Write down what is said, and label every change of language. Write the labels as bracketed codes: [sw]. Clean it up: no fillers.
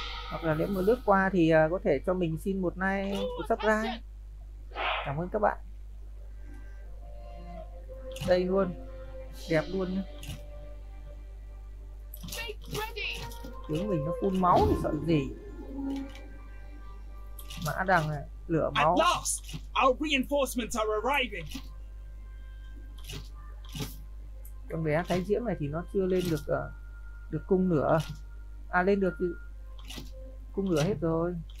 [vi] Hoặc là nếu mà lướt qua thì có thể cho mình xin một like, một subscribe. Cảm ơn các bạn. Đây luôn, đẹp luôn nhá. Tướng mình nó phun máu thì sợ gì. Mã đằng này, lửa máu. [en] At last, our reinforcements are arriving. [vi] Con bé Thái Diễm này thì nó chưa lên được được cung nữa. À lên được thì cung nữa hết rồi.